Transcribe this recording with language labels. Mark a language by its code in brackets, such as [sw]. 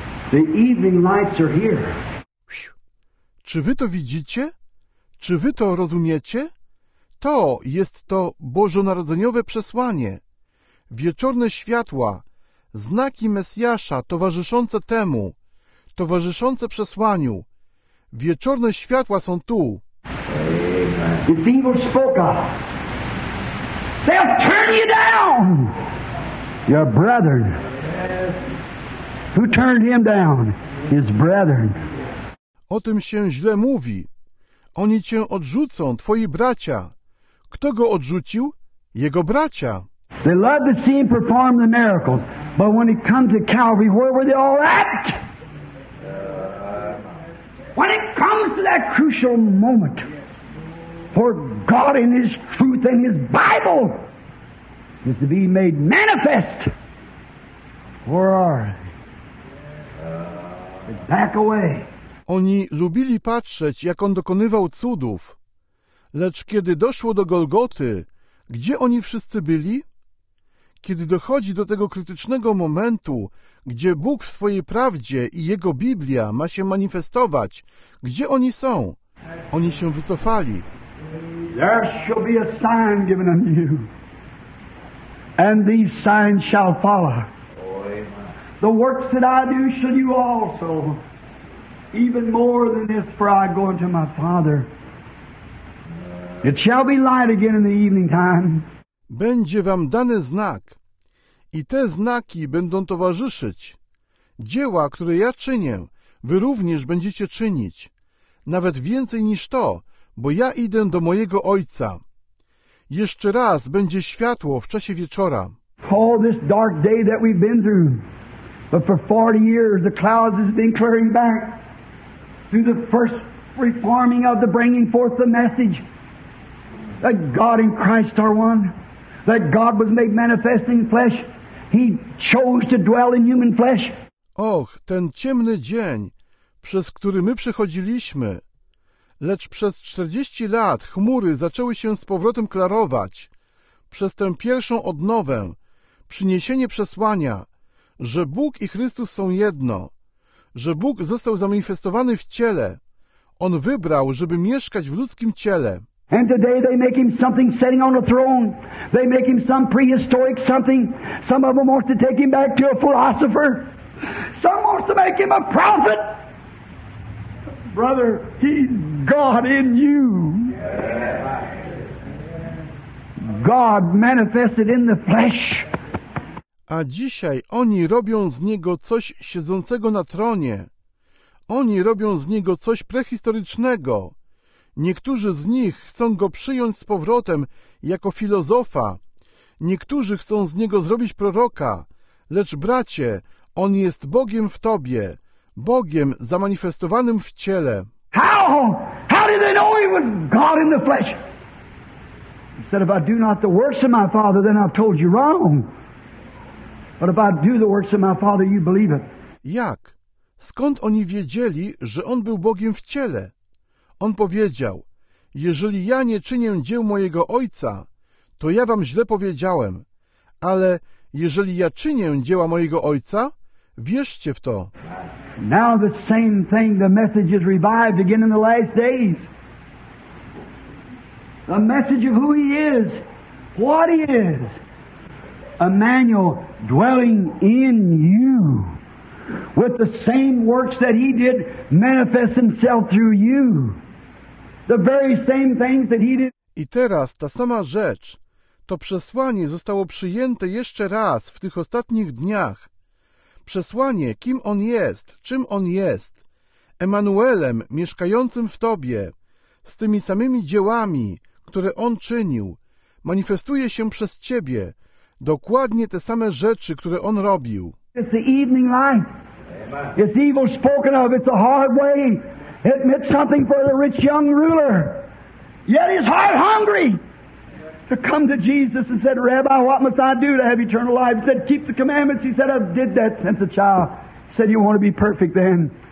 [en] The evening lights are here. [pl] Czy wy to widzicie? Czy wy to rozumiecie? To jest to bożonarodzeniowe przesłanie. Wieczorne światła. Znaki Mesjasza towarzyszące temu, towarzyszące przesłaniu. Wieczorne światła są tu. [en] It's evil spoken. They'll turn you down. Your brethren. Who turned him down? His brethren. [pl] O tym się źle mówi. Oni cię odrzucą, twoi bracia. Kto go odrzucił? Jego bracia. [en] They love to see him perform the miracles. But when he come to Calvary, where were they all at? When it comes to that crucial moment for God in his truth and his Bible is to be made manifest, where are they? Back away. [pl] Oni lubili patrzeć, jak on dokonywał cudów. Lecz kiedy doszło do Golgoty, gdzie oni wszyscy byli? Kiedy dochodzi do tego krytycznego momentu, gdzie Bóg w swojej prawdzie i Jego Biblia ma się manifestować, gdzie oni są? Oni się wycofali. [en] There shall be a sign given unto you, and these signs shall follow. The works that I do shall you also, even more than this, for I go unto my Father. It shall be light again in the evening time. [pl] Będzie wam dany znak. i te znaki będą towarzyszyć. Dzieła, które ja czynię, wy również będziecie czynić. Nawet więcej niż to, bo ja idę do mojego Ojca. Jeszcze raz będzie światło w czasie wieczora. [en] All this dark day that we've been through, but for 40 years the clouds has been clearing back through the first reforming of the bringing forth the message that God and Christ are one, that God was made manifest in flesh. He chose to dwell in human flesh. [pl] Och, ten ciemny dzień, przez który my przechodziliśmy, lecz przez 40 lat chmury zaczęły się z powrotem klarować przez tę pierwszą odnowę, przyniesienie przesłania, że Bóg i Chrystus są jedno, że Bóg został zamanifestowany w ciele. On wybrał, żeby mieszkać w ludzkim ciele. [en] And today they make him something sitting on a throne. They make him some prehistoric something. Some of them wants to take him back to a philosopher. Some wants to make him a prophet. Brother, he's God in you. God manifested in the flesh. [pl] A dzisiaj oni robią z niego coś siedzącego na tronie. Oni robią z niego coś prehistorycznego. Niektórzy z nich chcą go przyjąć z powrotem jako filozofa. Niektórzy chcą z niego zrobić proroka. Lecz bracie, on jest Bogiem w tobie, Bogiem zamanifestowanym w ciele. [en] How did they know he was God in the flesh? He said, if I do not the works of my Father, then I've told you wrong. But if I do the works of my Father, you believe it. [pl] Jak? Skąd oni wiedzieli, że on był Bogiem w ciele? On powiedział, jeżeli ja nie czynię dzieł mojego Ojca, to ja wam źle powiedziałem, ale jeżeli ja czynię dzieła mojego Ojca, wierzcie w to. [en] Now the same thing, the message is revived again in the last days. The message of who he is, what he is. Emmanuel dwelling in you. With the same works that he did manifest himself through you. The very same things that he did. [pl] I teraz ta sama rzecz, to przesłanie zostało przyjęte jeszcze raz w tych ostatnich dniach. Przesłanie, kim on jest, czym on jest, Emanuelem mieszkającym w tobie, z tymi samymi dziełami, które on czynił, manifestuje się przez ciebie, dokładnie te same rzeczy, które on robił. [en] It's the evening light. Amen. It's evil spoken of. It's a hard way. It meant something for the rich young ruler. Yet his heart hungry to come to Jesus and said, Rabbi, what must I do to have eternal life? He said, keep the commandments. He said, I did that since a child. He said, you want to be perfect then?